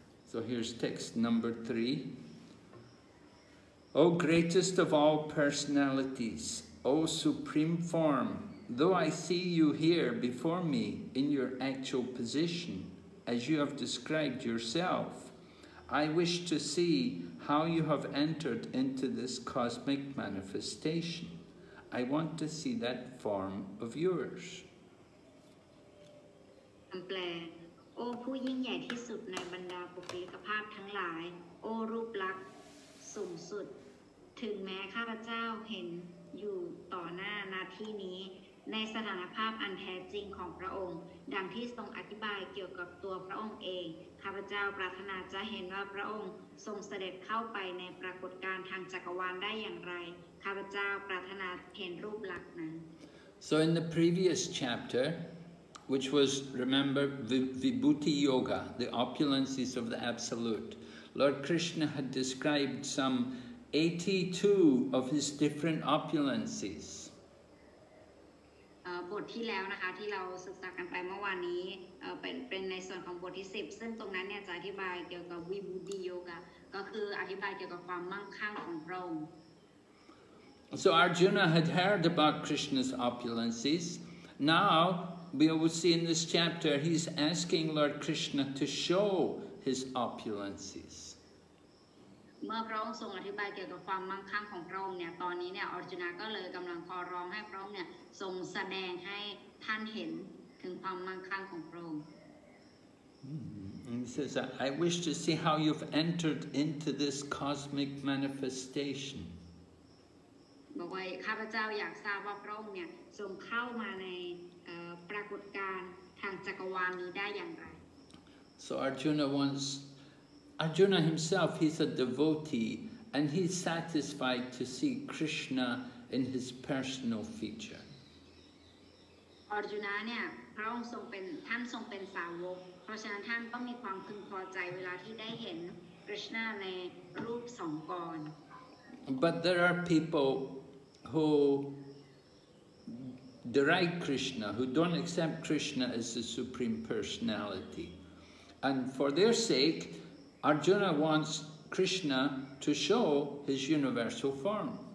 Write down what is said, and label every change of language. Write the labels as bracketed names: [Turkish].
[English] So here's text number 3. O greatest of all personalities, O supreme form, though I see you here before me in your actual position, as you have described yourself, I wish to see how you have entered into this cosmic manifestation. I want to see that form of yours. [Thai] แปลโอ้ผู้ยิ่งใหญ่ที่สุดในบรรดาปุพพลิกภาพทั้งห ลายโอรูปลักษณ์สูงสุดถึงแม้ข้าพเจ้าเห็นอยู่ต่อหน้าณที่นี้ในสถานภาพอันแท้จริงของพระองค์ดังที่ทรงอธิบายเกี่ยวกับตัวพระองค์เองข้าพเจ้าปรารถนาจะเห็นว่าพระองค์ทรงเสด็จเข้าไปในปรากฏการณ์ทางจักรวาลได้อย่างไรข้าพเจ้าปรารถนาเห็นรูปลักษณ์นั้น [English] So in the previous chapter which was remember vibhuti yoga the opulences of the absolute Lord Krishna had described some 82 of his different opulences. [Thai] บทที่แล้วนะคะที่เราศึกษากันไปเมื่อวานนี้เป็นในส่วนของบทที่10ซึ่งตรงนั้นเนี่ยจะอธิบายเกี่ยวกับวิบูติโยคะก็คืออธิบายเกี่ยวกับความมั่งคั่งของพระองค์ [English] So Arjuna had heard about Krishna's opulences. Now we will see in this chapter he's asking Lord Krishna to show his opulences. [Thai] เมื่อพระองค์ทรงอธิบายเกี่ยวกับความมั่งคั่งของพระองค์เนี่ยตอนนี้เนี่ยอัจฉริยะก็เลยกำลังขอร้องให้พระองค์เนี่ยทรงแสดงให้ท่านเห็นถึงความมั่งคั่งของพระองค์ [English] He says, I wish to see how you've entered into this cosmic manifestation. [Thai] บอกว่าข้าพเจ้าอยากทราบว่าพระองค์เนี่ยทรงเข้ามาในปรากฏการณ์ทางจักรวาลนี้ได้อย่างไร [English] So Arjuna wants. Arjuna himself, he's a devotee, and he's satisfied to see Krishna in his personal feature. [Thai] Arjuna, เนี่ย พระองค์ทรงเป็น ท่านทรงเป็นสาวก เพราะฉะนั้นท่านต้องมีความพึงพอใจเวลาที่ได้เห็น Krishna ในรูปสองกร [English] But there are people who deride Krishna, who don't accept Krishna as the Supreme Personality. And for their sake,Arjuna wants Krishna to show his universal form.